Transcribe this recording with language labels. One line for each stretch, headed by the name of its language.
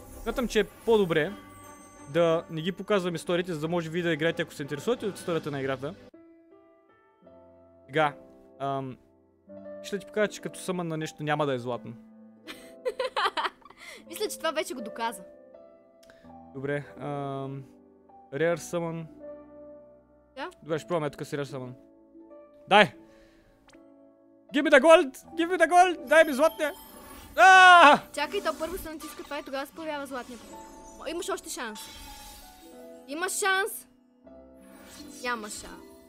Bulgarian: Смятам, че е по-добре да не ги показвам историите, за да може вие да играете, ако се интересувате от историята на играта. Сега, ще ти покажа, че като съм на нещо няма да е златно. Мисля, че това вече го доказа. Добре, Rare Summon. Да? Добре, ще пробваме тук с Rare Summon. Дай!
English: Give me the gold! Give me the gold!
Bulgarian: Дай ми златния! Чакай, то първо се натиска това и тогава се появява златния път. Имаш още шанс. Имаш шанс. Няма шанс.